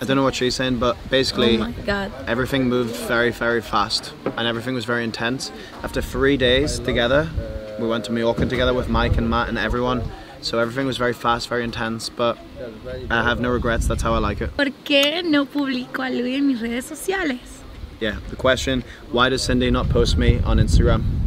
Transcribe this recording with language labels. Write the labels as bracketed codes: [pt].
[en] I don't know what she's saying, but basically, oh my God. Everything moved very, very fast, and everything was very intense. After 3 days together, we went to Mallorca together with Mike and Matt and everyone. So everything was very fast, very intense. But I have no regrets. That's how I like it. [es] ¿Por qué no publico a Luis en mis redes sociales? [en] Yeah, the question: why does Cindy not post me on Instagram?